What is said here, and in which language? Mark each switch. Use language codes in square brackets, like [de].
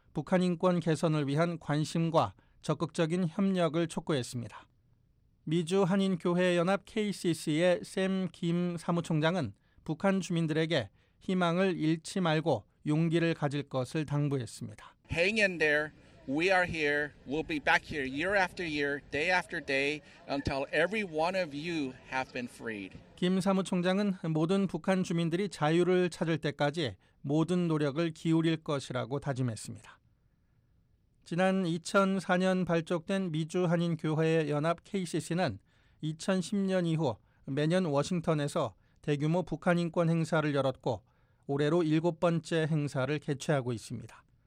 [ko] 북한 인권 개선을 위한 관심과 적극적인 협력을 촉구했습니다. 미주한인교회연합 KCC의 샘 김 사무총장은 북한 주민들에게 희망을 잃지 말고 용기를 가질 것을 당부했습니다. [en] Hang in there. We are here. We'll be back here year after year, day after day, until every one of you have been freed. [ko] 김 사무총장은 모든 북한 주민들이 자유를 찾을 때까지 모든 노력을 기울일 것이라고 다짐했습니다. 지난 2004년 발족된 미주한인교회의 연합 KCC는 2010년 이후 매년 워싱턴에서 대규모 북한 인권 행사를 열었고 올해로 7번째 행사를 개최하고 있습니다.